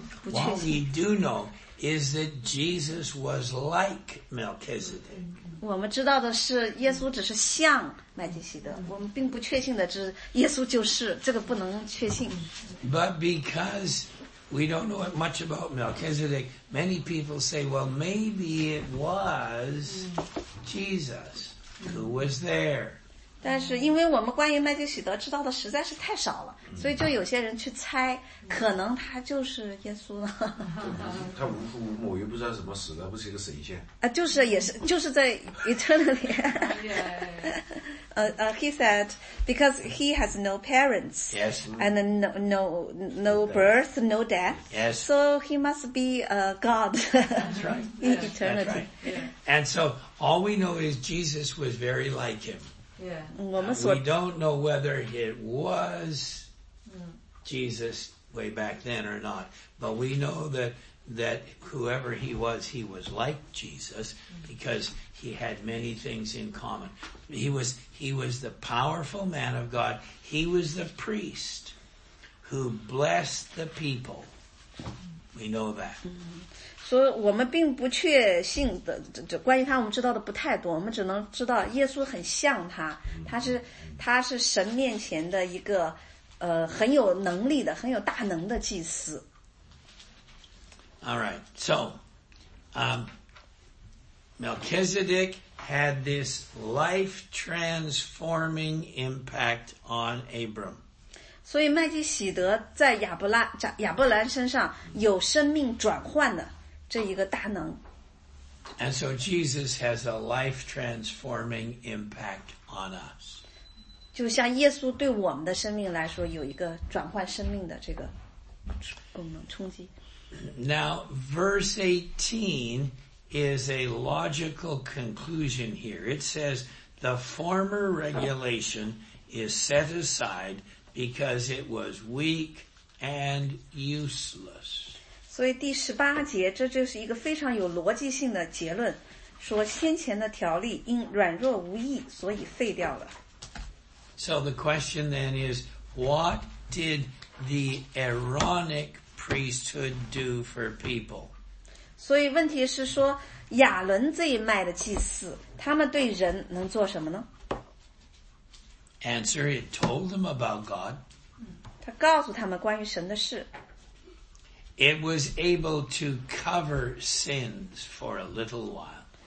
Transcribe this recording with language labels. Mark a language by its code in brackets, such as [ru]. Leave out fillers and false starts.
[en] What we do know is that Jesus was like Melchizedek. [zh] 我们知道的是耶稣只是像麦基洗德我们并不确信的是耶稣就是这个不能确信 [en] But because we don't know much about Melchizedek many people say well maybe it was Jesus who was there [zh] 但是因为我们关于麦基洗德知道的实在是太少了所以就有些人去猜可能他就是耶稣了他无父无母又不知道怎么死了不是一个神仙、啊、就是也是就是在 [en] eternally 、he said because he has no parents yes and no birth no death yes so he must be a god that's right in yes. eternity that's right. Yeah. and so all we know is Jesus was very like him yeah we don't know whether it wasJesus way back then or not. But we know that whoever he was like Jesus because he had many things in common. He was the powerful man of God. He was the priest who blessed the people. We know that. [zh] So, 我们并不确信的这关于他我们知道的不太多我们只能知道耶稣很像他他是神面前的一个很有能力的很有大能的祭司 [en] All right, so Melchizedek had this life transforming impact on Abram [zh] 所以麦基洗德在亚伯兰身上有生命转换的这一个大能 [en] And so Jesus has a life transforming impact on us [zh] 就像耶稣对我们的生命来说有一个转换生命的这个功能冲击 [en] Now verse 18 is a logical conclusion here It says the former regulation is set aside because it was weak and useless. [zh] 所以第十八节，这就是一个非常有逻辑性的结论，说先前的条例因软弱无益，所以废掉了。 [en] So the question then is, what did the Aaronic priesthood do for people? [zh] 所以问题是说，亚伦这一脉的祭司，他们对人能做什么呢？ [en] Answer, it told them about God. [zh] 他告诉他们关于神的事。 [en] It was able to cover sins for a little while.